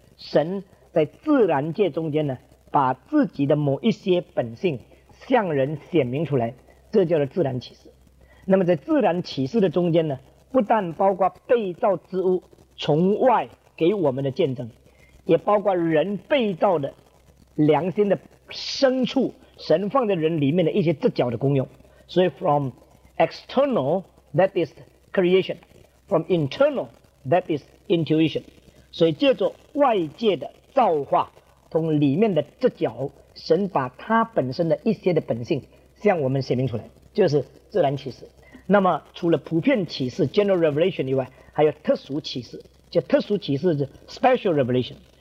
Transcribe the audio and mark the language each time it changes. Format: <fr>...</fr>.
<zh>神在自然界中间呢，把自己的某一些本性向人显明出来，这叫做自然启示。那么在自然启示的中间呢，不但包括被造之物从外给我们的见证，也包括人被造的良心的深处，神放在人里面的一些直角的功用。</zh> <en>所以 from external that is creation, from internal that is intuition。</en> <zh>所以借助外界的造化从里面的直角，神把他本身的一些的本性向我们显明出来，就是自然启示。那么除了普遍启示 General Revelation 以外，还有特殊启示，就特殊启示是 Special Revelation。</zh>